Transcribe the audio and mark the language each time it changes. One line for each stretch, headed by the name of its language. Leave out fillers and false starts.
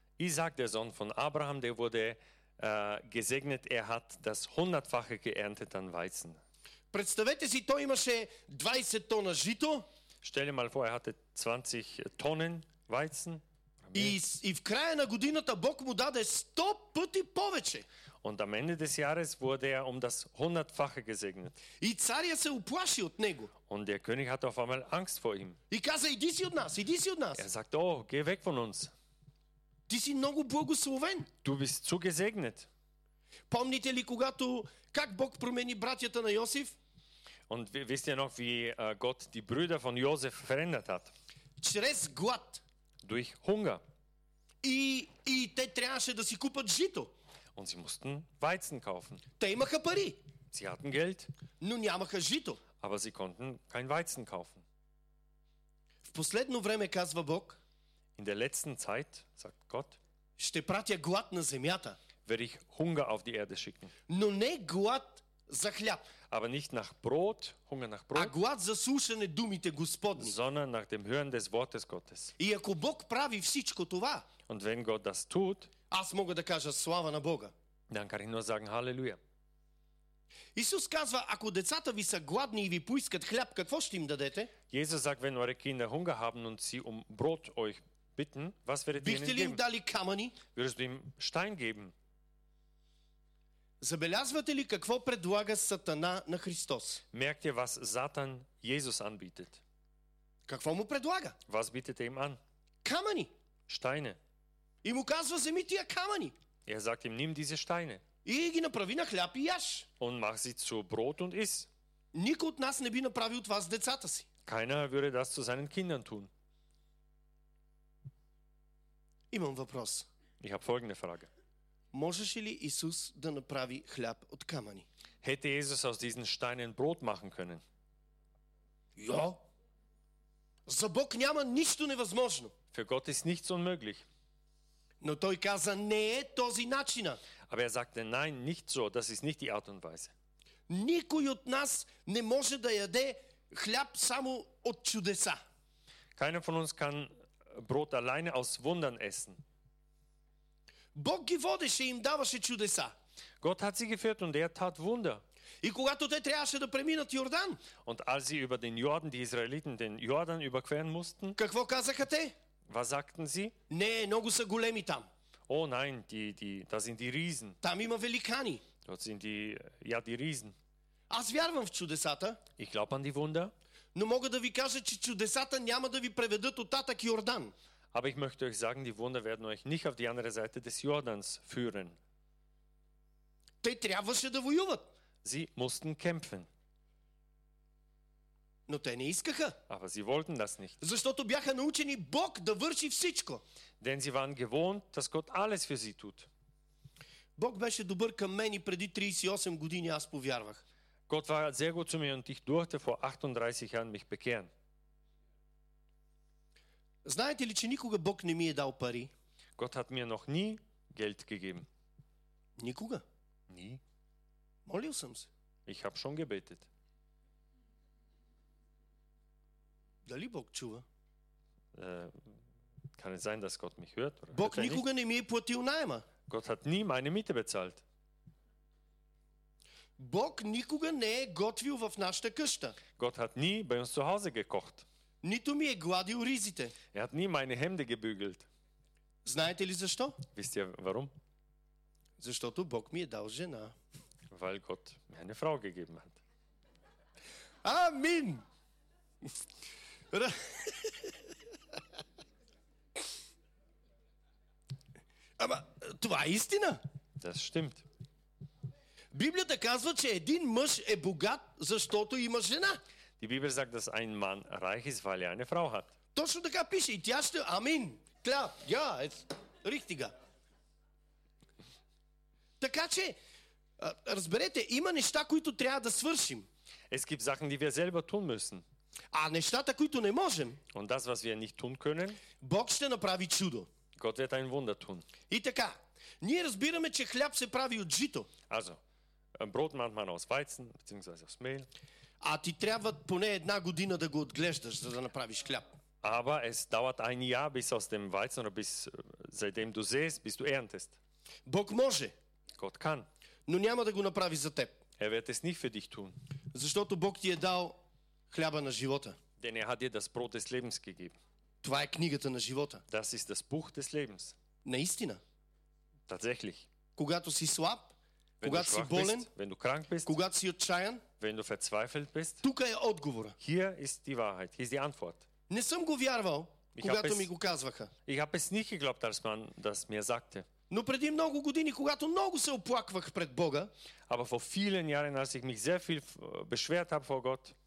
German: Исак, der Sohn von Abraham, der wurde gesegnet, er hat das hundertfache geerntet an Weizen.
Bulgarian: Представете си, той имаше 20 тона жито.
German: Stell dir mal vor, er hatte 20 Tonnen Weizen.
Bulgarian: И в края на годината Бог му даде 100 пъти повече.
German: Und am Ende des Jahres wurde er um das hundertfache gesegnet.
Bulgarian: И царя се уплаши от него.
German: Und der König hatte auf einmal Angst vor ihm.
Bulgarian: И каза, иди си от нас, иди си от нас.
German: Er sagte, oh, geh weg von uns.
Bulgarian: Ти си много благословен.
German: Du bist zu gesegnet.
Bulgarian: Помните ли когато, как Бог промени братята на Йосиф?
German: Und wisst ihr noch, wie Gott die Brüder von Josef verändert hat?
Bulgarian: Чрез глад.
German: Durch Hunger.
Bulgarian: И те трябваше да си купат жито.
German: Und sie mussten Weizen kaufen.
Bulgarian: Те имаха пари.
German: Sie hatten Geld.
Bulgarian: Но нямаха жито.
German: Aber sie konnten kein Weizen kaufen.
Bulgarian: В последно време, казва Бог,
German: In der letzten Zeit, sagt Gott,
Bulgarian: ще пратя глад на земята.
German: Werde ich Hunger auf die Erde schicken.
Bulgarian: Но не глад за хляб.
German: Aber nicht nach Brot, Hunger nach Brot,
Bulgarian: а глад за слушане думите Господни.
German: Sondern nach dem Hören des Wortes Gottes.
Bulgarian: И ако Бог прави всичко това,
German: Und wenn Gott das tut,
Bulgarian: аз мога да кажа слава на Бога.
German: Dann kann ich nur sagen Halleluja.
Bulgarian: Исус казва, ако децата ви са гладни и ви поискат хляб, какво ще им дадете?
German: Jesus sagt, wenn eure Kinder Hunger haben und sie um Brot euch bitten, was werdet ihr ihnen geben?
Bulgarian: Дали камъни?
German: Würdest du ihm Stein geben?
Bulgarian: Забелязвате ли какво предлага Сатана на Христос?
German: Merkt ihr, was Satan Jesus anbietet?
Bulgarian: Какво му предлага?
German: Was bietet er ihm an?
Bulgarian: Камъни.
German: Steine.
Bulgarian: И му казва, вземи тия камъни.
German: Er sagt ihm, nimm diese Steine.
Bulgarian: И ги направи на хляб и яш.
German: Und mach sie zu Brot und iss.
Bulgarian: Никой от нас не би направил това с децата си.
German: Keiner würde das zu seinen Kindern tun.
Bulgarian: Имам въпрос.
German: Ich habe folgende Frage.
Bulgarian: Можеше ли Исус да направи хляб от камъни?
German: Hätte Jesus aus diesen Steinen Brot machen können? Ja.
Bulgarian: За Бог няма нищо невъзможно.
German: Für Gott ist nichts unmöglich.
Bulgarian: Но той каза, не е този начина.
German: Aber er sagte, nein, nicht so, das ist nicht die Art und Weise.
Bulgarian: Никой от нас не може да яде хляб само от чудеса.
German: Keiner von uns kann Brot alleine aus Wundern essen.
Bulgarian: Бог ги водеше и им даваше чудеса.
German: Gott hat sie geführt und er tat Wunder.
Bulgarian: И когато те трябваше да преминат Йордан,
German: und als sie über den Jordan, die Israeliten den Jordan überqueren mussten,
Bulgarian: какво казаха те?
German: Was sagten sie?
Bulgarian: Не, много са големи там.
German: Oh nein, da sind die Riesen.
Bulgarian: Там има великани.
German: Dort sind die, ja, die Riesen.
Bulgarian: Аз вярвам в чудесата.
German: Ich glaube an die Wunder.
Bulgarian: Но мога да ви кажа, че чудесата няма да ви преведат оттатък Йордан.
German: Aber ich möchte euch sagen, die Wunder werden euch nicht auf die andere Seite des Jordans führen.
Bulgarian: Те трябваше да воюват.
German: Sie mussten kämpfen.
Bulgarian: Но те не искаха.
German: Aber sie wollten das nicht.
Bulgarian: Защото бяха научени Бог да върши всичко.
German: Denn sie waren gewohnt, dass Gott alles für sie tut.
Bulgarian: Бог беше добър към мен и преди 38 години аз повярвах.
German: Gott war sehr gut zu mir und ich durfte vor 38 Jahren mich bekehren.
Bulgarian: Знаете ли, че никога Бог не ми е дал пари?
German: Gott hat mir noch nie Geld gegeben.
Bulgarian: Никога?
German: Ни.
Bulgarian: Молил съм се.
German: Ich habe schon gebetet.
Bulgarian: Дали Бог чува?
German: Kann es sein, dass Gott mich hört?
Bulgarian: Бог никога не ми е платил найма.
German: Gott hat nie meine Miete bezahlt.
Bulgarian: Бог никога не е готвил в нашата къща.
German: Gott hat nie bei uns zu Hause gekocht.
Bulgarian: Нито ми е гладил ризите.
German: Er hat nie meine Hemde gebügelt.
Bulgarian: Знаете ли защо?
German: Wisst ihr warum?
Bulgarian: Защото Бог ми е дал жена.
German: Weil Gott mir eine Frau gegeben hat.
Bulgarian: Амин! Ама това е истина.
German: Das stimmt.
Bulgarian: Библията казва, че един мъж е богат, защото има жена.
German: Die Bibel sagt, dass ein Mann reich ist, weil er eine Frau hat.
Bulgarian: Точно така пише. И тя ще... Амин.
German: Klar. Ja, ist richtig.
Bulgarian: Така че, разберете, има неща, които трябва да свършим.
German: Es gibt Sachen, die wir selber tun müssen.
Bulgarian: А нещата, които не можем,
German: Und das, was wir nicht tun können,
Bulgarian: Бог ще направи чудо.
German: Gott wird ein Wunder tun.
Bulgarian: И така, ние разбираме, че хляб се прави от жито.
German: Also, Brot macht man aus Weizen bzw. aus Mehl.
Bulgarian: А ти трябва поне една година да го отглеждаш, за да направиш хляб.
German: Aber es dauert ein Jahr bis aus dem Weizen oder bis seitdem du säst, bis du erntest.
Bulgarian: Бог може.
German: Gott kann.
Bulgarian: Но няма да го направи за теб.
German: Er wird es nicht für dich tun.
Bulgarian: Защото Бог ти е дал хляба на живота.
German: Denn er hat dir das Brot des Lebens gegeben.
Bulgarian: Това е книгата на живота.
German: Das ist das Buch des Lebens.
Bulgarian: Наистина.
German: Tatsächlich.
Bulgarian: Когато си слаб,
German: wenn
Bulgarian: когато си болен,
German: bist, wenn du krank bist,
Bulgarian: когато си отчаян,
German: wenn du verzweifelt bist,
Bulgarian: тук е отговора.
German: Hier ist die Wahrheit, hier ist die Antwort.
Bulgarian: Не съм го вярвал, когато ми го казваха.
German: Ich habe es nicht geglaubt, als man das mir sagte.
Bulgarian: Но преди много години, когато много се оплаквах пред Бога,
German: aber vor vielen Jahren, als ich mich sehr viel beschwert habe vor Gott,